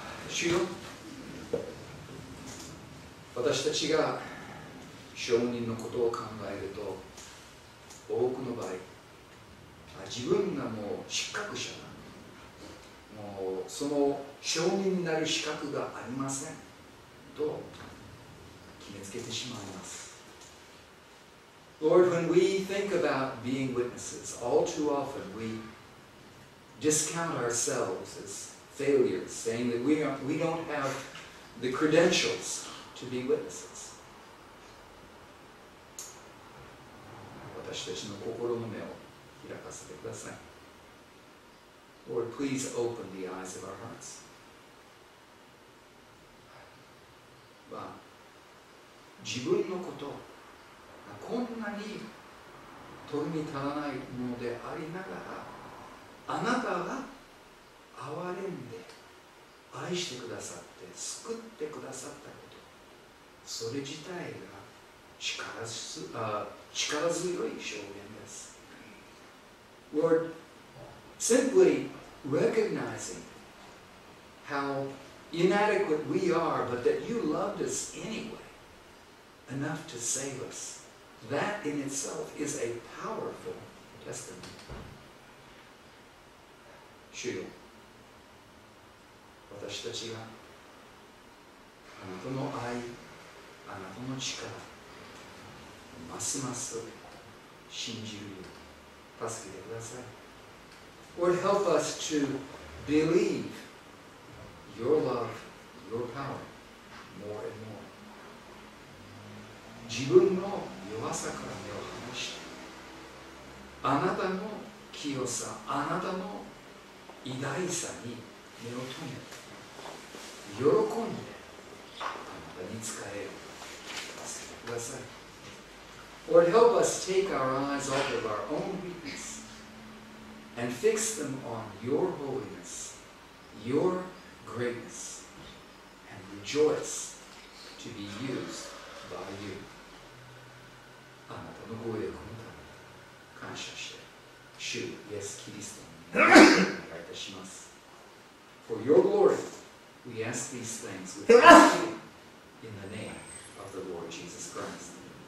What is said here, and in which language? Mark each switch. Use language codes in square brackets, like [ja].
[ja] 主よ、私たちが証人のことを考えると、多くの場合自分がもう失格者だ、もうその証人になる資格がありませんと決めつけてしまいます。 [en] Lord, when we think about being witnesses, all too often we discount ourselves as failures, saying that we don't have the credentials to be witnesses. [ja] 私たちの心の目を開かせてください。 [en] Lord, please open the eyes of our hearts. [ja] は自分のこと、こんなに取りに足らないものでありながら、あなたが憐れんで愛してくださって救ってくださったこと、それ自体が力強い証言です。 [en] Lord, simply recognizing how inadequate we are, but that you loved us anyway, enough to save us, that in itself is a powerful testament. [ja] 主よ、私たちがあなたの愛、あなたの力、ますます信じるように助けてください。 [en] Lord, help us to believe your love, your power, more and more. [ja] 自分の弱さから目を離して、あなたの清さ、あなたの偉大さに目を留めて、喜んであなたに仕える。助けてください。 [en] Lord, help us take our eyes off of our own weakness and fix them on your holiness, your greatness, and rejoice to be used by you. [ja] あなたのご栄光のために感謝して、主イエス・キリストにお願いいたします。 [en] For your glory, we ask these things with thanksgiving in the name of the Lord Jesus Christ.